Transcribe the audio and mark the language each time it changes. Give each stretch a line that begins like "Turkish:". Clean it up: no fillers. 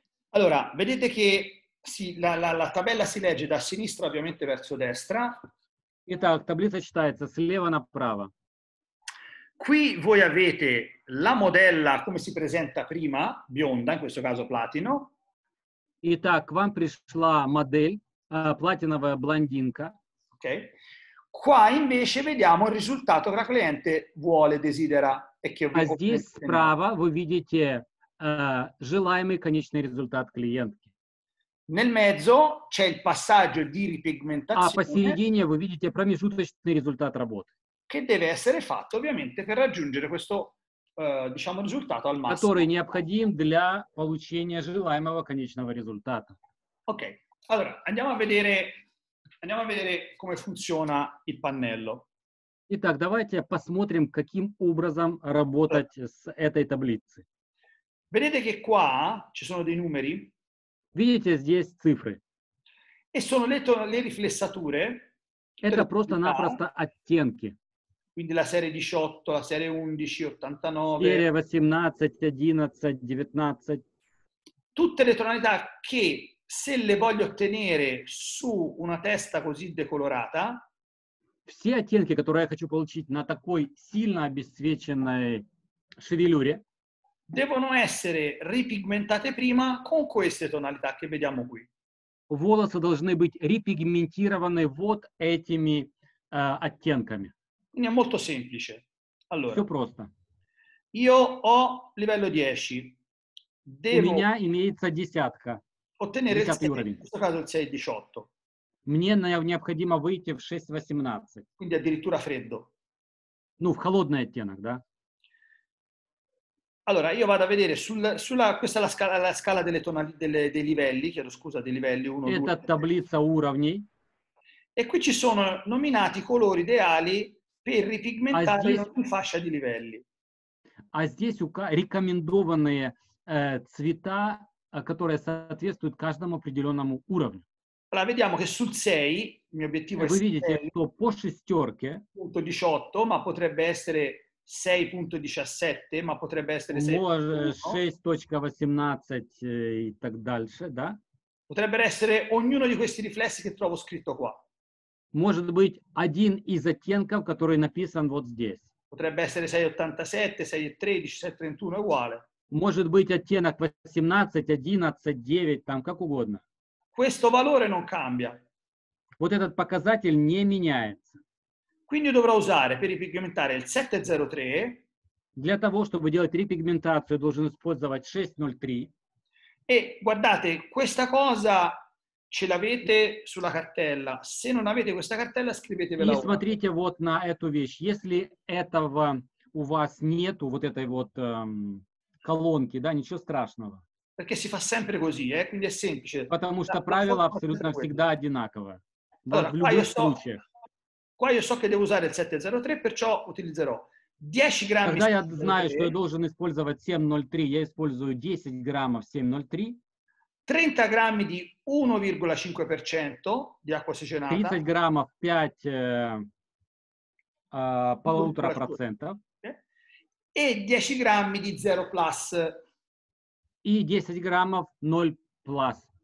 Italian: Allora, vedete che la tabella si legge da sinistra ovviamente verso destra.
Russian: Итак, таблица читается слева направо.
Italian: Qui voi avete la modella come si presenta prima, bionda, in questo caso platino.
Russian: Итак, вам пришла модель, платиновая блондинка. Ok.
Italian: Qua invece vediamo il risultato che la cliente vuole, desidera. E che
Russian: а здесь справа вы видите желаемый конечный результат клиентки.
Italian: Nel mezzo c'è il passaggio di ripigmentazione.
Russian: А посередине вы видите промежуточный результат работы.
Italian: Che deve essere fatto ovviamente per raggiungere questo diciamo risultato al massimo.
Russian: Который необходим для получения желаемого конечного результата.
Italian: Ok, allora andiamo a vedere come funziona il pannello.
Russian: Итак, давайте посмотрим, каким образом работать allora. С этой таблицей.
Italian: Vedete che qua ci sono dei numeri?
Russian: Видите, здесь цифры.
Italian: E sono le riflessature.
Russian: Это просто-напросто оттенки.
Italian: Quindi la serie 18, la serie 11, 89. Serie 18, 11, 19. Tutte le tonalità che se le voglio ottenere su una testa così decolorata.
Russian: Все оттенки, которые я хочу получить на такой сильно обесцвеченной шевелюре.
Italian: Devono essere ripigmentate prima con queste tonalità che vediamo qui.
Russian: Волосы должны быть репигментированы вот этими оттенками.
Italian: Quindi è molto semplice. Allora,
Russian: все просто.
Italian: Io ho livello 10. Devo
Russian: У меня имеется десятка.
Italian: Ottenere 10
Russian: уровень.
Italian: В questo caso il 6-18.
Russian: Мне необходимо выйти в 6-18.
Italian: Quindi addirittura freddo.
Russian: Ну, в холодный оттенок, да?
Italian: Allora, io vado a vedere sulla questa è la scala delle tonali dei livelli, chiedo scusa, dei livelli 1 2.
Russian: Это таблица уровней.
Italian: E qui ci sono nominati i colori ideali per ripigmentare una fascia di livelli.
Russian: А здесь рекомендованные цвета, которые соответствуют каждому определённому уровню.
Italian: Allora, vediamo che sul 6, il mio obiettivo voi vedete, sto
Russian: по шестёрке.
Italian: Punto 18, ma potrebbe essere 6.17, ma potrebbe essere
Russian: 6.18 e так дальше, да?
Italian: Potrebbero essere ognuno di questi riflessi che trovo scritto qua.
Russian: Может быть один из оттенков, который написан вот здесь.
Italian: Potrebbe essere 6.87, 6.13, 6.31 uguale.
Russian: Может быть оттенок 18, 11, 9, там как угодно.
Italian: Questo valore non cambia.
Russian: Вот этот показатель не меняется.
Italian: Quindi dovrò usare per ripigmentare il 703.
Russian: Для того, чтобы делать репигментацию, должен использовать 603.
Italian: E guardate, questa cosa ce l'avete sulla cartella. Se non avete questa cartella, scrivetevela.
Russian: И смотрите вот на эту вещь. Если этого у вас нету, вот этой вот колонки, да, ничего страшного.
Italian: Perché si fa sempre così, eh? Quindi è semplice.
Russian: Потому что правило абсолютно всегда одинаково. Allora, в любых случаях.
Italian: Qua io so che devo usare il 703, perciò utilizzerò 10 grammi.
Russian: Когда я знаю, что я должен использовать 703, я использую 10 граммов 703.
Italian: 30
Russian: граммов
Italian: di 1,5% di acqua ossigenata.
Russian: 30 граммов 5,5%.
Italian: E 10
Russian: граммов
Italian: di 0 plus.
Russian: И 10 граммов 0 plus.